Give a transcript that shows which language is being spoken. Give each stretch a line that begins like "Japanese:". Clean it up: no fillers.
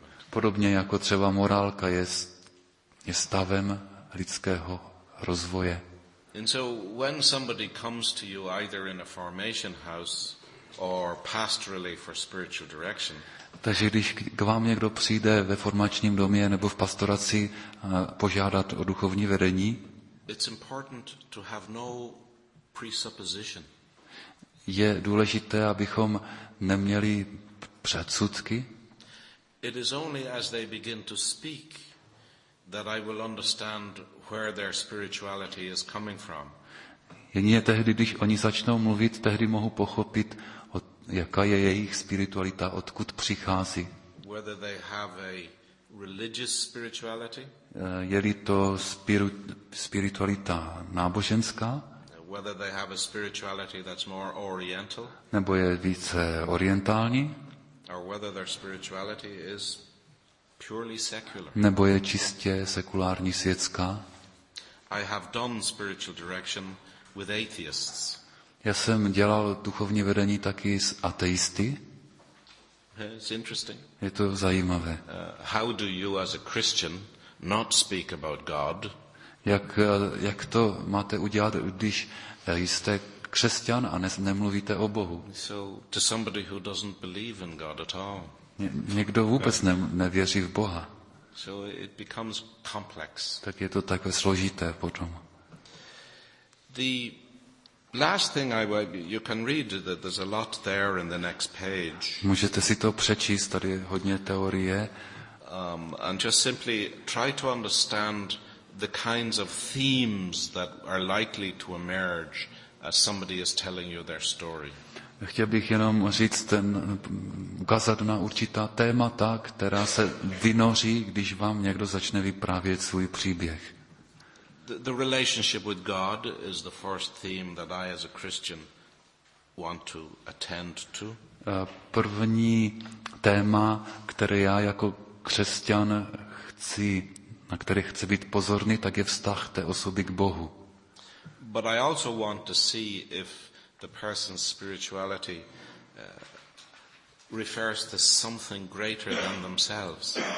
Czech: Podobně jako třeba morálka je stavem lidského rozvoje.
English: And so when somebody comes to you either in a formation house or pastorally for spiritual direction,
Czech: takže když k vám někdo přijde ve formačním domě nebo v pastoraci požádat o duchovní vedení,
English: it's important to have no presupposition.
Czech: Je důležité, abychom neměli předsudky.
English: It is only as they begin to speak that I will understand where their spirituality is coming from.
Czech: Jedině tehdy, když oni začnou mluvit, tehdy mohu pochopit, jaká je jejich spiritualita, odkud přichází.
English: Whether they have a religious spirituality?
Czech: Je-li to spiritualita náboženská?
English: Whether they have a spirituality that's more oriental?
Czech: Nebo je více orientální?
English: Or whether their spirituality is purely secular?
Czech: Nebo je čistě sekulární, světská?
English: I have done spiritual direction with atheists.
Czech: Já jsem dělal duchovní vedení taky s ateisty.
English: It's interesting.
Czech: Je to zajímavé.
English: How do you as a Christian not speak about God?
Czech: Jak to máte udělat, když jste křesťan a nemluvíte o Bohu?
English: So to somebody who doesn't believe in God at all.
Czech: Někdo vůbec nevěří v Boha.
English: So it becomes complex.
Czech: Tak je to takové složité potom.
English: The last thing I will, you can read that there's a lot there in the next page.
Czech: Můžete si to přečíst, tady je hodně teorie.
English: And just simply try to understand the kinds of themes that are likely to emerge somebody is telling you their story.
Czech: Chtěl bych jenom říct ten ukázat na určitá témata, která se vynoří, když vám někdo začne vyprávět svůj příběh.
English: The relationship with God is the first theme that I as a Christian want to attend to.
Czech: První téma, které já jako křesťan chci, na které chci být pozorný, tak je vztah té osoby k Bohu.
English: But I also want to see if the person's spirituality refers to something greater than themselves.